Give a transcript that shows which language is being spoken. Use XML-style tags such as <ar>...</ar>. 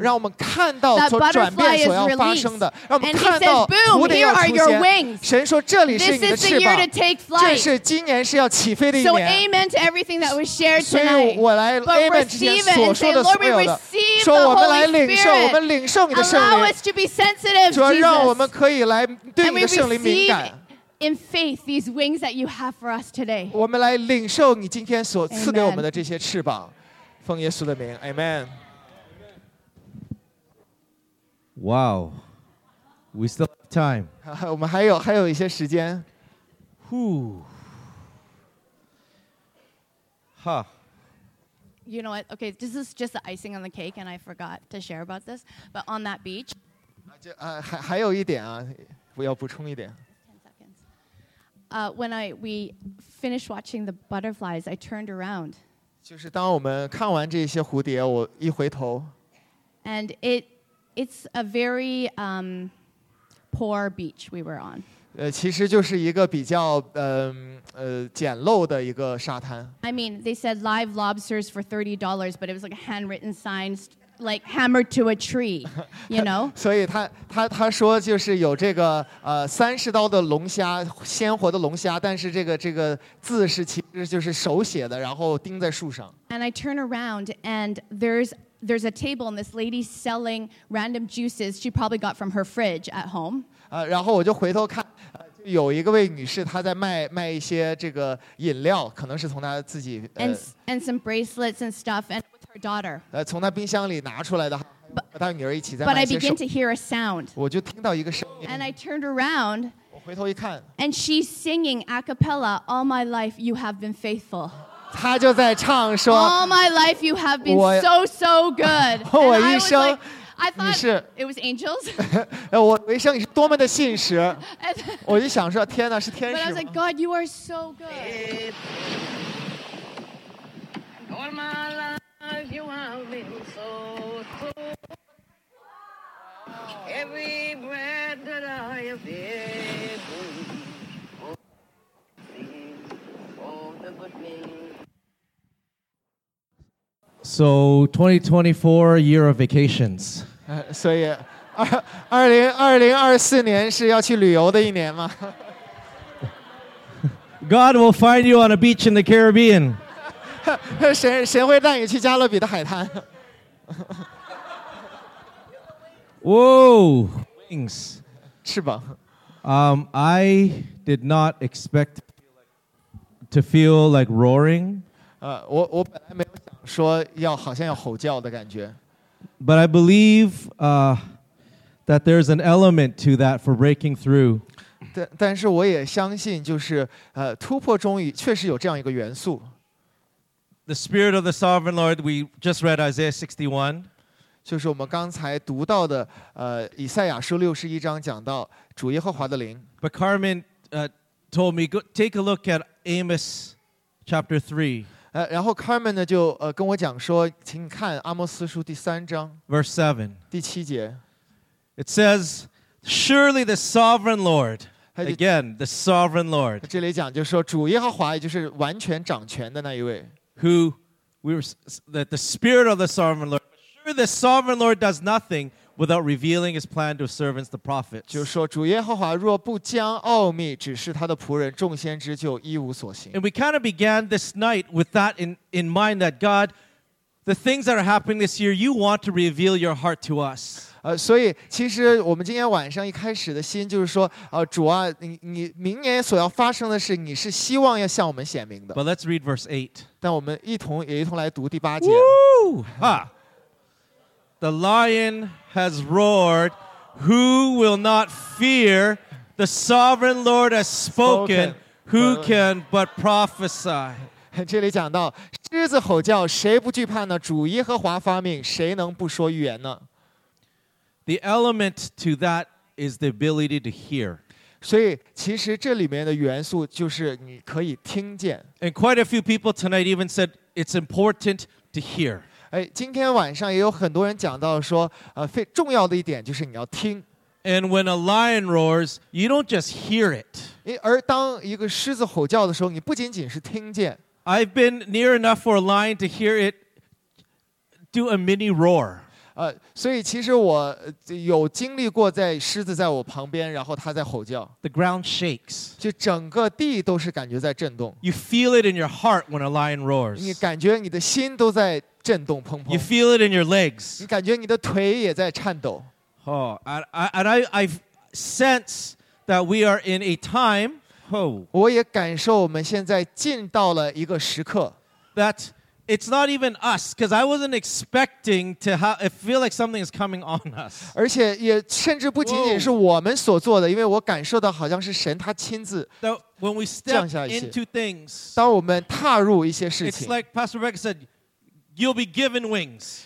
<zh>让我们看到所转变所要发生的。</zh> <en>And He says, boom, here are your wings.</en> <zh>神说这里是你的翅膀。</zh> <en>This is the year to take flight.</en> <zh>这是今年是要起飞的一年。</zh> <en>So amen to everything that was shared tonight. But receive it and say, Lord, we receive the Holy Spirit. Allow us to be sensitive, Jesus. And we receive in faith these wings that you have for us today. Amen. Wow. Wow. We still have time.</en> <zh>我们还有一些时间。</zh> <en>You know what? Okay, this is just the icing on the cake, and I forgot to share about this. But on that beach.</en> <zh>还有一点啊，我要补充一点。</zh> <en>When we finished watching the butterflies, I turned around.</en> <zh>就是当我们看完这些蝴蝶，我一回头。</zh> <en>And it's a very poor beach we were on.</en> <zh>其实就是一个比较简陋的一个沙滩。</zh> <en>I mean, they said live lobsters for $30, but it was like a handwritten sign, like hammered to a tree, you know?</en> <zh>所以他说就是有这个$30的龙虾，鲜活的龙虾，但是这个字是其实就是手写的，然后钉在树上。</zh> <en>And I turn around and there's a table and this lady selling random juices she probably got from her fridge at home.</en> <zh>然后我就回头看，有一个位女士她在卖一些这个饮料，可能是从她自己。</zh> <en>And some bracelets and stuff and with her daughter.</en> <zh>从她冰箱里拿出来的，和她女儿一起在卖一些。</zh> <en>But I begin to hear a sound.</en> <zh>我就听到一个声音。</zh> <en>And I turned around.</en> <zh>我回头一看。</zh> <en>And she's singing a cappella, "All my life you have been faithful."</en> <zh>她就在唱说。</zh> <en>All my life you have been so so good.</en> <zh>我一生。</zh> <en>I thought it was angels.</en> <zh>我一生你是多么的信实，我就想说天哪，是天使。</zh> <en>But I was like, God, you are so good. All my life you have been so good. Every breath that I have been, all the good things. So 2024, year of vacations.</en> <zh>所以2024年是要去旅游的一年吗？</zh> <en>God will find you on a beach in the Caribbean.</en> <zh>谁会带你去加勒比的海滩？</zh> <en>Whoa, wings.</en> <zh>翅膀。</zh> <en>I did not expect to feel like roaring.</en> <zh>我本来没有说要好像要吼叫的感觉。</zh> <en>But I believe that there's an element to that for breaking through.</en> <zh>但是我也相信就是突破终于确实有这样一个元素。</zh> <en>The Spirit of the Sovereign Lord, we just read Isaiah 61.</en> <zh>就是我们刚才读到的以赛亚书61章讲到主耶和华的灵。</zh> <en>But Carmen told me, go, take a look at Amos chapter 3.</en> <zh>然后 Carmen 呢就跟我讲说，请你看阿摩斯书第三章</zh> <en>，verse 7，</en> <zh>第七节。</zh> <en>It says, "Surely the sovereign Lord." Again, the sovereign Lord.</en> <zh>这里讲就是说主耶和华，也就是完全掌权的那一位。</zh> <en>Who we were that the spirit of the sovereign Lord. Sure, the sovereign Lord does nothing without revealing his plan to his servants the prophets.</en> <zh>就是说主耶和华若不将奥秘指示他的仆人众先知就一无所行。</zh> <en>And we kind of began this night with that in mind that God, the things that are happening this year, you want to reveal your heart to us.</en> <zh>所以其实我们今天晚上一开始的心就是说主啊你明年所要发生的事你是希望要向我们显明的。</zh> <en>But let's read verse 8.</en> <zh>但我们也一同来读第八节。</zh> <en>Woo! The lion has roared. Who will not fear? The sovereign Lord has spoken. Who can but prophesy?</en> <zh>这里讲到狮子吼叫，谁不惧怕呢？主耶和华发命，谁能不说预言呢？</zh> <en>The element to that is the ability to hear.</en> <zh>所以其实这里面的元素就是你可以听见。</zh> <en>And quite a few people tonight even said it's important to hear.</en> <zh>今天晚上也有很多人讲到说重要的一点就是你要听。</zh> <en>And when a lion roars, you don't just hear it.</en> <zh>而当一个狮子吼叫的时候你不仅仅是听见。</zh> <en>I've been near enough for a lion to hear it do a mini roar.</en> <zh>所以其实我有经历过在狮子在我旁边然后它在吼叫。</zh> <en>The ground shakes.</en> <zh>就整个地都是感觉在震动。</zh> <en>You feel it in your heart when a lion roars.</en> <zh>你感觉你的心都在震动砰砰。</zh> <en>You feel it in your legs.</en> <zh>你感觉你的腿也在颤抖。</zh> <en>Oh, I sense that we are in a time. Oh,</en> <zh>我也感受我们现在进到了一个时刻。</zh> <en>That It's not even us, because I wasn't expecting to have. It feel like something is coming on us.</en> <zh>而且也甚至不仅仅是我们所做的，因为我感受到好像是神他亲自降下一些。</zh> <en>When we step into things,</en> <zh>当我们踏入一些事情</zh> <en>，It's like Pastor Rebecca said, "You'll be given wings."</en>